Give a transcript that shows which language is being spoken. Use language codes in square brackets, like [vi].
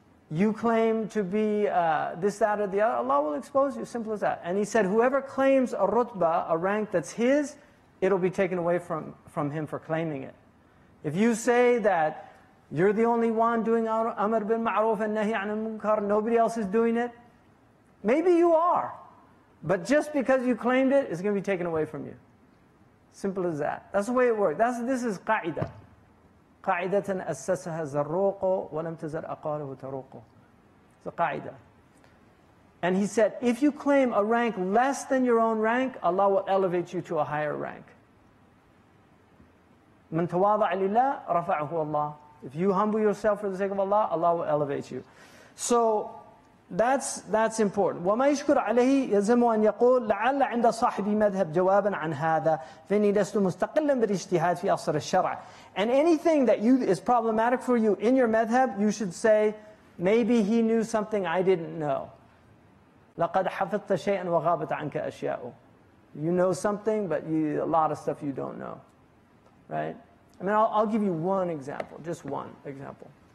[en] You claim to be this, that, or the other, Allah will expose you, simple as that. And he said, whoever claims a rutbah, a rank that's his, it'll be taken away from him for claiming it. If you say that you're the only one doing Amr bin Ma'ruf and Nahi an Munkar, nobody else is doing it, maybe you are. But just because you claimed it, it's going to be taken away from you. Simple as that. That's the way it works. This is qa'idah. [ar] قاعدة أسسها زروق ولم تزر أقاله تروق. [en] It's a qa'idah. And he said, if you claim a rank less than your own rank, Allah will elevate you to a higher rank. [ar] من تواضع لله رفعه الله. [en] If you humble yourself for the sake of Allah, Allah will elevate you. So that's important. [ar] وما يشكر عليه يلزم أن يقول لعل عند صاحبي مذهب جوابا عن هذا فإني لست مستقلا بالاجتهاد في أصل الشرع. [en] And anything that you is problematic for you in your madhab, you should say, maybe he knew something I didn't know. [ar] لَقَدْ حَفِظْتَ شَيْئًا وَغَابَتْ عَنْكَ أَشْيَاءُ. [en] You know something, but a lot of stuff you don't know. Right? I mean, I'll give you one example, just one example.